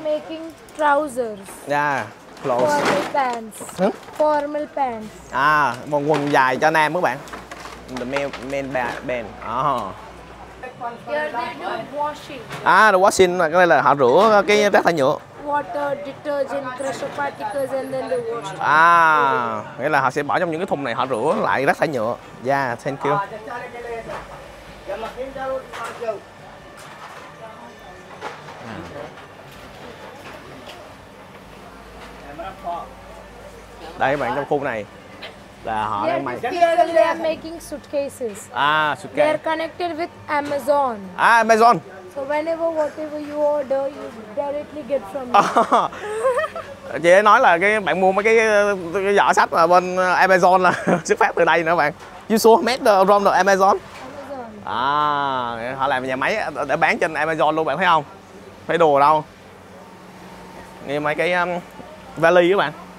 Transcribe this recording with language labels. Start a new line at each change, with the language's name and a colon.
English: Making trousers. Yeah, clothes. Formal pants. Formal pants.
Vietnamese: À, một quần dài cho nam các bạn.
English: The men band. Band. Oh. Yeah, they do washing.
Vietnamese: Ah,
English: the washing,
Vietnamese: cái này là họ rửa cái rác thải nhựa.
English: Water, detergent, crush particles and then they wash.
Vietnamese: Ah, nghĩa là họ sẽ bỏ trong những cái thùng này, họ rửa lại rác thải nhựa.
English: Yeah, thank you.
Vietnamese: Đây các bạn, trong khu này là họ đang may.
English: They are making suitcases. Ah, suitcase. They are connected with Amazon. Ah, Amazon. So whenever whatever you order, you directly get from them.
Vietnamese: Chị ấy nói là cái bạn mua mấy cái giỏ sách mà bên Amazon là xuất phát từ đây nữa bạn.
English: You saw met the from the Amazon. Amazon.
Vietnamese: Ah, họ làm nhà máy để bán trên Amazon luôn bạn thấy không? Phải đồ đâu? Nghe mấy cái vali các bạn.